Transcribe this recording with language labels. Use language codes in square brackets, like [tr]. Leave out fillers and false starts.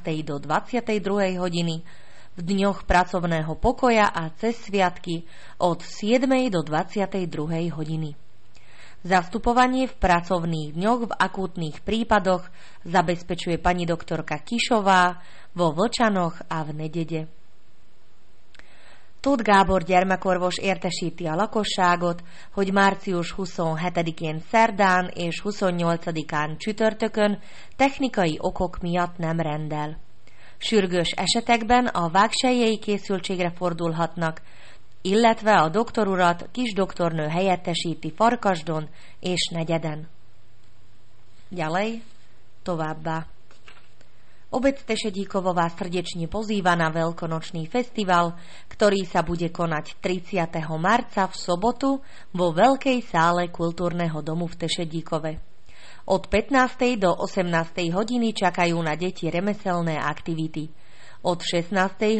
[sk] do 22. hodiny, v dňoch pracovného pokoja a cez sviatky od 7. do 22. hodiny. Zastupovanie v pracovných dňoch v akútnych prípadoch zabezpečuje pani doktorka Kišová vo Vlčanoch a v Nedede. [hu] Tóth Gábor gyermekorvos értesíti a lakosságot, hogy március 27-én szerdán és 28-án csütörtökön technikai okok miatt nem rendel. Sürgős esetekben a vágsejjei készültségre fordulhatnak, illetve a doktorurat kisdoktornő helyettesíti Farkasdon és Negyeden. [sk] Ďalej, [hu] továbbá. [sk] Obec Tešedíkovová srdečne pozýva na veľkonočný festival, ktorý sa bude konať 30. marca v sobotu vo Veľkej sále kultúrneho domu v Tešedíkove. Od 15. do 18. hodiny čakajú na deti remeselné aktivity. Od 16.